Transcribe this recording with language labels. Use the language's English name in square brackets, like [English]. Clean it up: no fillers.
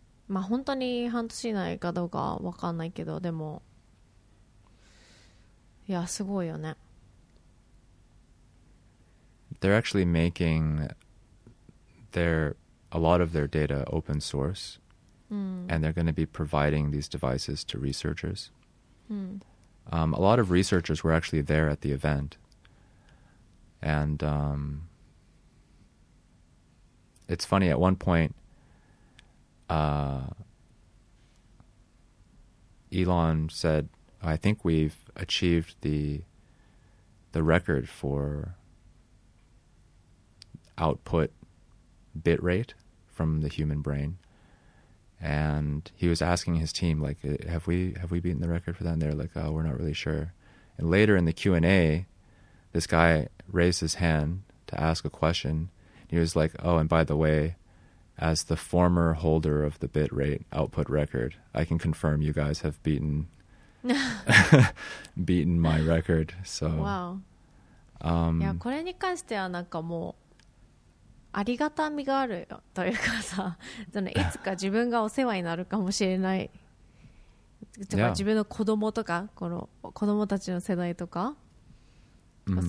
[Japanese] まあ本当に半年以内かどうかわかんないけど、でも、いや、すごいよね。 [English] They're actually making a lot of their data open source, and they're going to be providing these devices to researchers. A lot of researchers were actually there at the event, and it's funny, at one point Elon said, I think we've achieved the record for output bit rate from the human brain, and he was asking his team, like, have we beaten the record for that? And they're like, oh, we're not really sure. And later in the Q&A, this guy raised his hand to ask a question. He was like, oh, and by the way, as the former holder of the bit rate output record, I can confirm you guys have beaten my record. So wow. [Japanese] Yeah, これに関してはなんかもうありがたみがあるというかさ、そのいつか自分がお世話になるかもしれない、yeah. 自分の子供とかこの子供たちの世代とか、mm-hmm.